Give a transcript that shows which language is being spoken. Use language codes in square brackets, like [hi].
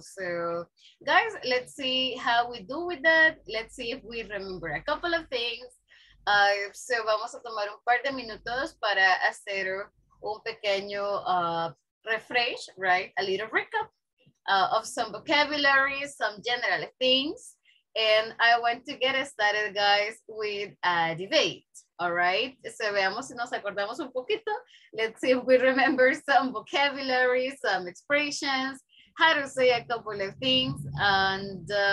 [en] So, guys, let's see how we do with that. Let's see if we remember a couple of things. So [es] vamos a tomar un par de minutos para hacer un pequeño refresh, [en] right? A little recap of some vocabulary, some general things. And I want to get started, guys, with a debate, all right? So [es] veamos si nos acordamos un poquito. [en] Let's see if we remember some vocabulary, some expressions, how to say a couple of things, and...